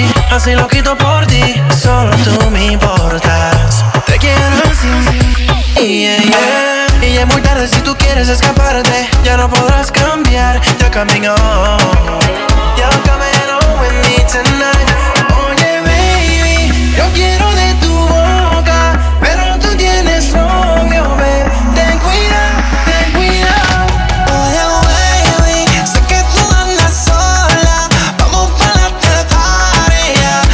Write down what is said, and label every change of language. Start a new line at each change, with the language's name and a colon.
Spanish: así lo quito por ti, solo tú me importas. Te quiero así, yeah, yeah. Y es muy tarde, si tú quieres escaparte, ya no podrás cambiar.
English: You're coming on, you're coming on with me tonight.
Spanish: Oye, baby, yo quiero de tu boca, pero tú tienes novio, babe. Ten cuidado, ten cuidado. Oye, baby, sé que tú andas sola, vamos pa' la tetaria.